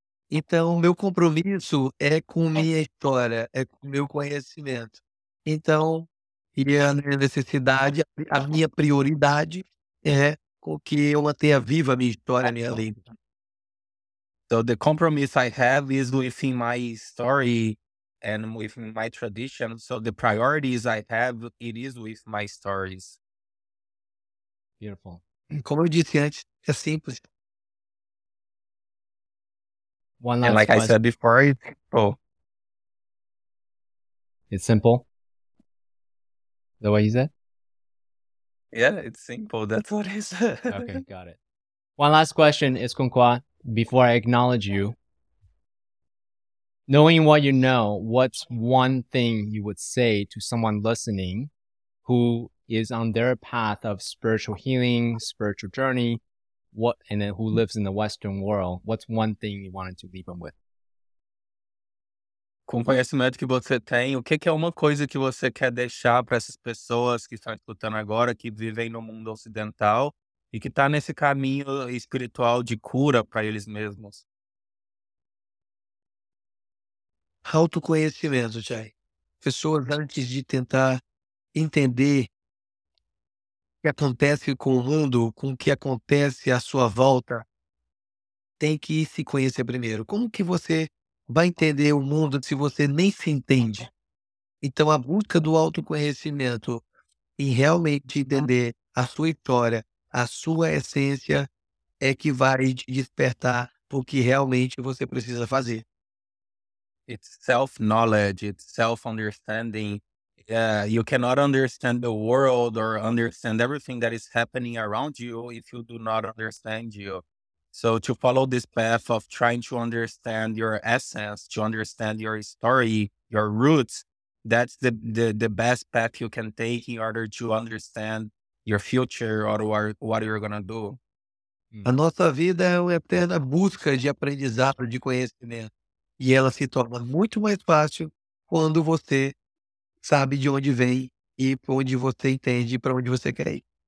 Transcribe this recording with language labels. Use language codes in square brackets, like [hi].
[pt] Então, meu compromisso é com minha história, é com meu conhecimento. Então, e a minha necessidade, a minha prioridade é com que eu mantenha viva a minha história, a minha língua. [en] So, the compromise I have is within my story and within my tradition. So, the priorities I have, it is with my stories. Beautiful. [pt] Como eu disse antes, é simples. [en] One last question. And like I said before, it's simple. The way he said? Yeah, it's simple. That's what he said. Okay, got it. One last question, Iskukua, before I acknowledge you. Knowing what you know, what's one thing you would say to someone listening who is on their path of spiritual healing, spiritual journey? What, and then who lives in the Western world, what's one thing you wanted to leave them with? [pt] Com o conhecimento que você tem, o que é uma coisa que você quer deixar para essas pessoas que estão escutando agora, que vivem no mundo ocidental e que estão nesse caminho espiritual de cura para eles mesmos? Autoconhecimento, Jay. Pessoas, antes de tentar entender o que acontece com o mundo, com o que acontece à sua volta, tem que se conhecer primeiro. Como que você vai entender o mundo se você nem se entende? Então, a busca do autoconhecimento e realmente entender a sua história, a sua essência, é que vai te despertar para o que realmente você precisa fazer. [en] It's self-knowledge, it's self-understanding. You cannot understand the world or understand everything that is happening around you if you do not understand you. So to follow this path of trying to understand your essence, to understand your story, your roots, that's the best path you can take in order to understand your future or what you're going to do. [pt] A nossa vida é uma eterna busca de aprendizado, de conhecimento. E ela se torna muito mais fácil quando você sabe de onde vem e para onde você entende e para onde você quer ir.